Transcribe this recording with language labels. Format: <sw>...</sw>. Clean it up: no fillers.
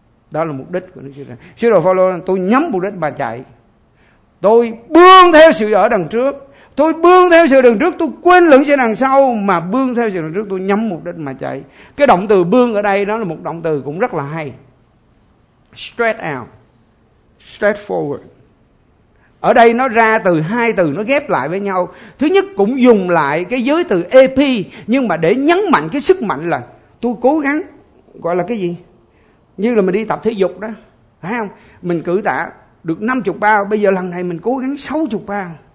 <vi>Đó là mục đích của Đức Chúa Trời. Sứ đồ Phao-lô, tôi nhắm mục đích mà chạy. Tôi bươn theo sự ở đằng trước. Tôi bươn theo sự đằng trước, tôi quên lẫn sự đằng sau, mà bươn theo sự đằng trước, tôi nhắm mục đích mà chạy. Cái động từ bươn ở đây đó là một động từ cũng rất là hay.</vi> <en>Stretch out, stretch forward.</en> <vi>Ở đây nó ra từ hai từ, nó ghép lại với nhau. Thứ nhất cũng dùng lại cái giới từ AP, nhưng mà để nhấn mạnh cái sức mạnh là tôi cố gắng, gọi là cái gì? Như là mình đi tập thể dục đó, phải không? Mình cử tạ được 50 bao, bây giờ lần này mình cố gắng 60 bao.</vi>